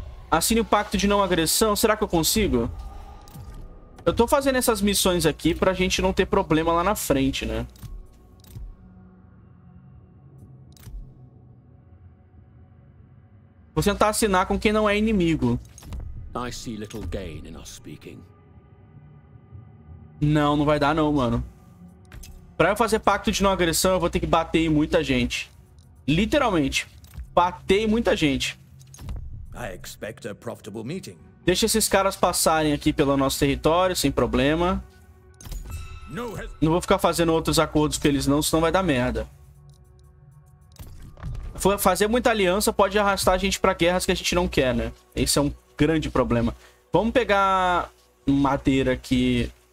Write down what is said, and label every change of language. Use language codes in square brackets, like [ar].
[pt] Assine o pacto de não agressão. Será que eu consigo? Eu tô fazendo essas missões aqui pra gente não ter problema lá na frente, né? Vou tentar assinar com quem não é inimigo. [en] I see little gain in us speaking. [pt] Não, não vai dar não, mano. Pra eu fazer pacto de não agressão, eu vou ter que bater em muita gente. Literalmente. Bater em muita gente. [en] I expect a profitable meeting. [pt] Deixa esses caras passarem aqui pelo nosso território, sem problema. Não vou ficar fazendo outros acordos com eles não, senão vai dar merda. Fazer muita aliança pode arrastar a gente pra guerras que a gente não quer, né? Esse é um grande problema. Vamos pegar madeira aqui...